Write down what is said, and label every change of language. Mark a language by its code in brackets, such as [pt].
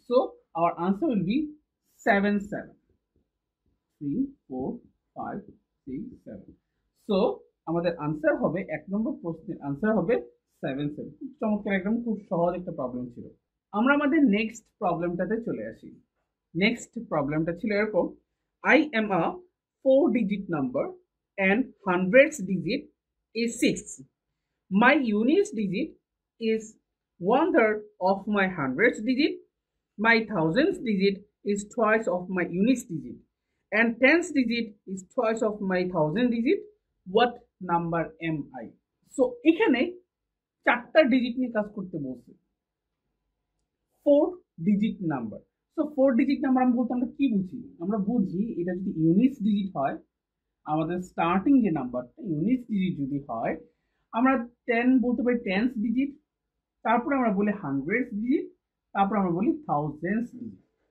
[en] So our answer will be 7, 7. 3, 4, 5, 6, 7. [bn] So আমাদের answer হবে, এক নম্বর প্রশ্নের answer হবে 7, 7. চমৎকার, একদম খুব সহজ একটা প্রবলেম ছিল। আমরা আমাদের নেক্সট প্রবলেমটাতে চলে আসি। [en] Next প্রবলেমটা ছিল এরকম, I am a four digit number and hundred digit is six, my unit digit is one third of my hundredth digit, my thousandth digit is twice of my unit digit, and tenth digit is twice of my thousand digit, what number am I? [bn] So এখানে চারটা digit নিয়ে কাজ করতে বলছে, four digit number. So four digit number আমি বলতে আমরা কি বুঝি, আমরা বুঝি এটা যদি ইউনিট ডিজিট হয়, আমাদের স্টার্টিং যে নাম্বারটা ইউনিট ডিজিট যদি হয়, আমরা টেন বলতে পারি টেন্স ডিজিট, তারপরে আমরা বলি হান্ড্রেডস ডিজিট, তারপরে আমরা বলি থাউজেন্ডস ডিজিট।